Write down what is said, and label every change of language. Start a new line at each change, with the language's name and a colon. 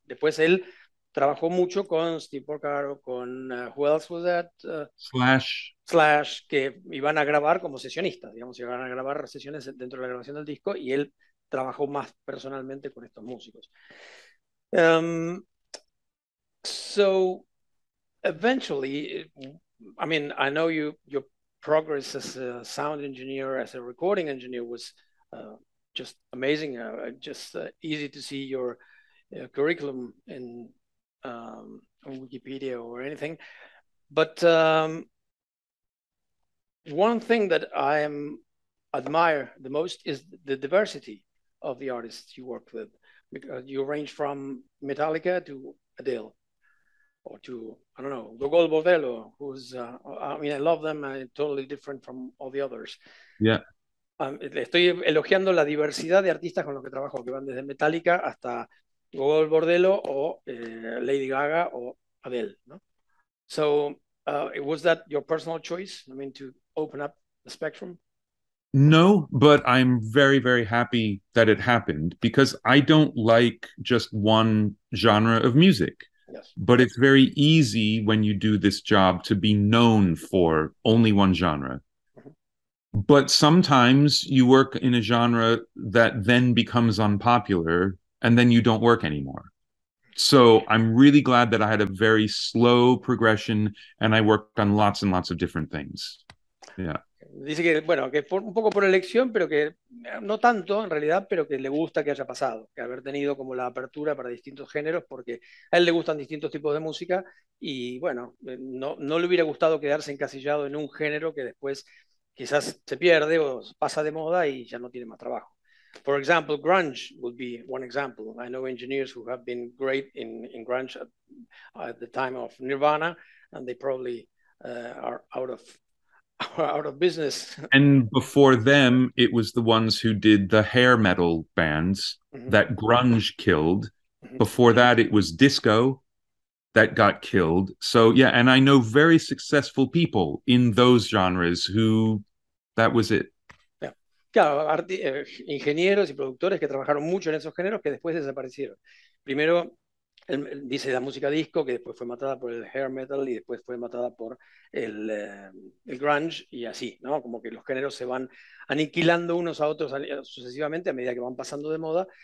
Spanish: Después él trabajó mucho con Steve Porcaro, con
English: who else was that?
Spanish: Slash, que iban a grabar como sesionistas, digamos, iban a grabar sesiones dentro de la grabación del disco, y él trabajó más personalmente con estos músicos.
English: So eventually, I mean, I know you, your progress as a sound engineer, as a recording engineer, was just amazing. Just easy to see your curriculum in on Wikipedia or anything. But one thing that I admire the most is the diversity of the artists you work with. Because you range from Metallica to Adele, or to, I don't know, Gogol Bordello, who's, I mean, I love them, totally different from all the others. Yeah.
Spanish: Estoy elogiando la diversidad de artistas con los que trabajo, que van desde Metallica hasta Gogol Bordello, o Lady Gaga, o Adele, ¿no?
English: So, was that your personal choice, I mean, to open up the spectrum? No, but I'm very, very happy that it happened, because I don't like just one genre of music. Yes. But it's very easy when you do this job to be known for only one genre. Mm-hmm. But sometimes you work in a genre that then becomes unpopular and then you don't work anymore. So I'm really glad that I had a very slow progression and I worked on lots and lots of different things. Yeah.
Spanish: Dice que, bueno, que por, un poco por elección, pero que no tanto en realidad, pero que le gusta que haya pasado, que haber tenido como la apertura para distintos géneros, porque a él le gustan distintos tipos de música y, bueno, no le hubiera gustado quedarse encasillado en un género que después quizás se pierde o pasa de moda y ya no tiene más trabajo.
English: For example, grunge would be one example. I know engineers who have been great in grunge at the time of Nirvana, and they probably are out of business. And before them, it was the ones who did the hair metal bands, mm-hmm. that grunge killed. Mm-hmm. Before that, it was disco that got killed. So, yeah, and I know very successful people in those genres who, that was it. Yeah.
Spanish: Claro, ingenieros y productores que trabajaron mucho en esos géneros que después desaparecieron. Primero, dice la música disco, que después fue matada por el hair metal y después fue matada por el grunge, y así, ¿no? Como que los géneros se van aniquilando unos a otros sucesivamente a medida que van pasando de moda.